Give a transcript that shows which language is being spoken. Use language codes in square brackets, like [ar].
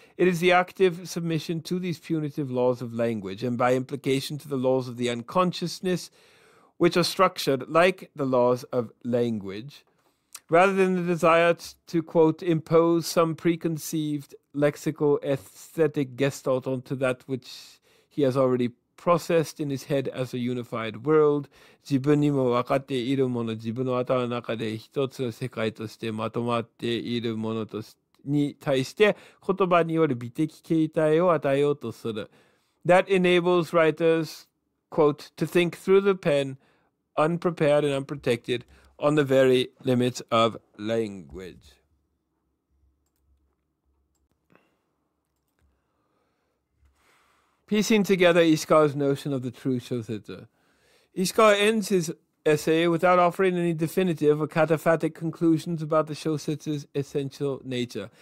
[en] It is the active submission to these punitive laws of language and by implication to the laws of the unconsciousness, which are structured like the laws of language, rather than the desire to, quote, impose some preconceived lexical aesthetic gestalt onto that which he has already processed in his head as a unified world. [ja] 自分にも分かっているもの、自分の頭の中で一つの世界としてまとまっているものとに対して言葉による美的形態を与えようとする。 [en] That enables writers, quote, to think through the pen, unprepared and unprotected, on the very limits of language. Piecing together Ishikawa's notion of the true Shōsetsu. Ishikawa ends his essay without offering any definitive or cataphatic conclusions about the Shōsetsu's essential nature.